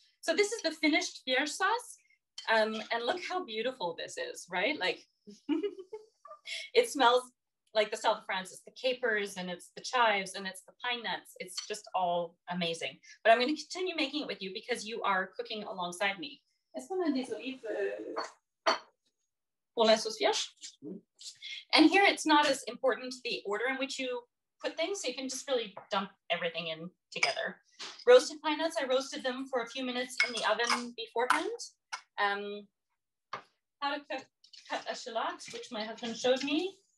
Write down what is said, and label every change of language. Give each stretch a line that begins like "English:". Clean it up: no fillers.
English: So this is the finished vierge sauce, and look how beautiful this is, right? Like, it smells like the South of France. It's the capers and it's the chives and it's the pine nuts. It's just all amazing. But I'm going to continue making it with you because you are cooking alongside me.
French: Est-ce qu'on a des olives pour la sauce vierge?
English: And here it's not as important the order in which you put things, so you can just really dump everything in together. Roasted pine nuts, I roasted them for a few minutes in the oven beforehand. How to cut a shallot, which my husband showed me.